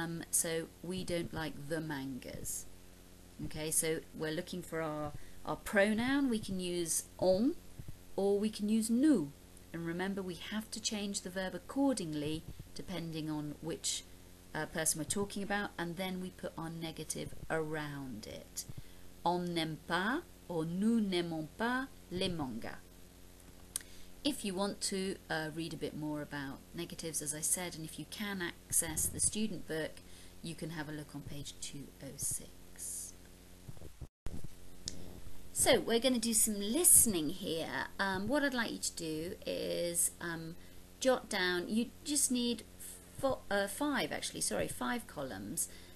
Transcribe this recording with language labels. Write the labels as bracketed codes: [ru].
[en] So we don't like the mangas. Okay, so we're looking for our pronoun. We can use on or we can use nous. And remember, we have to change the verb accordingly depending on which person we're talking about, and then we put our negative around it. [fr] On n'aime pas, or nous n'aimons pas les mangas. [en] If you want to read a bit more about negatives, as I said, and if you can access the student book, you can have a look on page 206. So we're going to do some listening here. What I'd like you to do is jot down, you just need five columns.